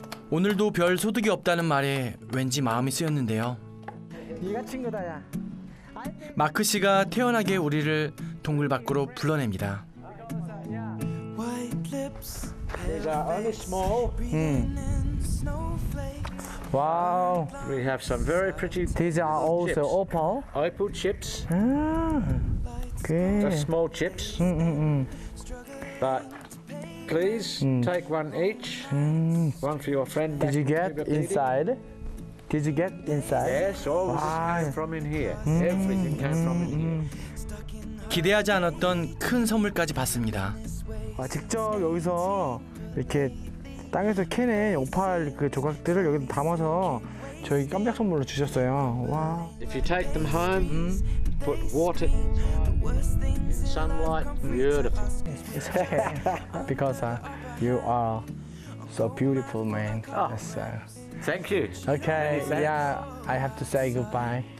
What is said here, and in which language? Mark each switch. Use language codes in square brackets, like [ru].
[ko] 오늘도 별 소득이 없다는 말에 왠지 마음이 쓰였는데요. 네가 친구다, 야. 마크 씨가 태연하게 우리를 동굴 밖으로 불러냅니다. 내가 [en] only small. 와우. Wow. We have some very pretty. These are also opal. Opal chips. Good. Just small chips. But please take one each. One for your friend. Did you get inside? Did you get inside? Yes, all came from in here. Everything came from in here. [ko] 기대하지 않았던 큰 선물까지 받습니다. 와, 직접 여기서 이렇게 땅에서 캐낸 오팔 그 조각들을 여기 담아서 저희 깜짝 선물로 주셨어요. 와. [en] If you take them home, put water in the sunlight, beautiful. Because you are so beautiful, man. Oh, so. Thank you. Okay, yeah, I have to say goodbye.